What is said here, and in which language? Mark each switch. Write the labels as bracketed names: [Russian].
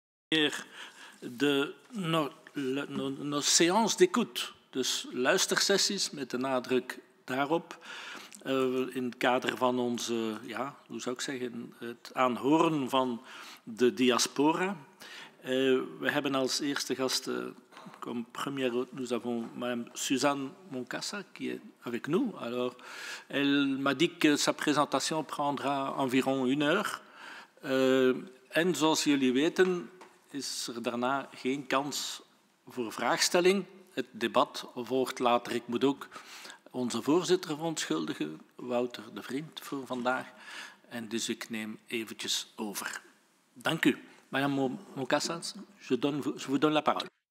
[French] De nos séances d'écoute, [Dutch] dus luistersessies met de nadruk daarop, in het kader van onze, ja, hoe zou ik zeggen, het aanhoren van de diaspora. We hebben als eerste gast, [French] comme première hôte, nous avons Mme Suzanne Moncassa qui est avec nous. Alors, elle m'a dit que sa présentation prendra environ une heure. [Dutch] En zoals jullie weten, is er daarna geen kans voor vraagstelling. Het debat volgt later. Ik moet ook onze voorzitter verontschuldigen, Wouter de Vriend, voor vandaag. En dus ik neem eventjes over. Dank u. [French] Madame Moncassa, je vous donne la parole.